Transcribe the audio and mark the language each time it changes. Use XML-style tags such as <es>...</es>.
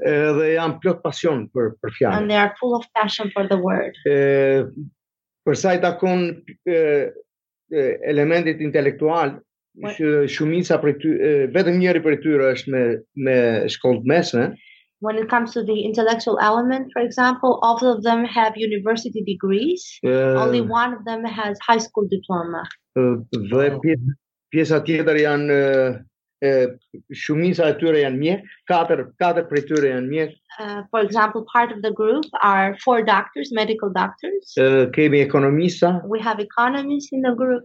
<sq>Dhe janë plot pasion për fjalën.</sq> <en>And they are full of passion for the word.</en> <sq>Për sa i takon elementit intelektual, shumica prej ty, vetëm njëri prej tyre është me shkollë mesme.</sq> <en>When it comes to the intellectual element, for example, all of them have university degrees. Only one of them has high school diploma.</en> <sq>Dhe pjesa tjetër janë, shumica e tyre janë mjek, katër prej tyre janë mjek.</sq> <en>For example, part of the group are 4 doctors, medical doctors.</en> <sq>Kemi ekonomista.</sq> <en>We have economists in the group.</en>